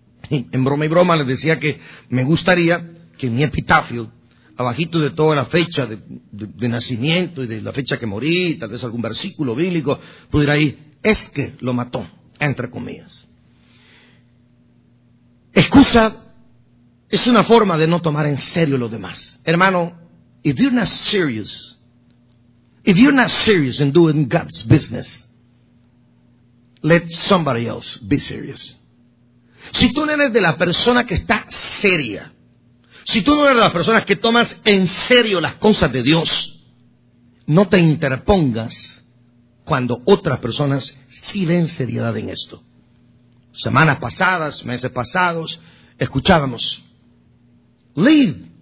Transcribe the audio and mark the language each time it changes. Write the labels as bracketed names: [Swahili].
[Spanish] En broma y broma les decía que me gustaría que mi epitafio, abajito de toda la fecha de nacimiento y de la fecha que morí, tal vez algún versículo bíblico, pudiera ir, es que lo mató, entre comillas. Excusa es una forma de no tomar en serio lo demás. Hermano, [English] if you're not serious in doing God's business, let somebody else be serious. [Spanish] Si tú no eres de la persona que está seria, si tú no eres de las personas que tomas en serio las cosas de Dios, no te interpongas cuando otras personas sí ven seriedad en esto. Semanas pasadas, meses pasados, escuchábamos, lead.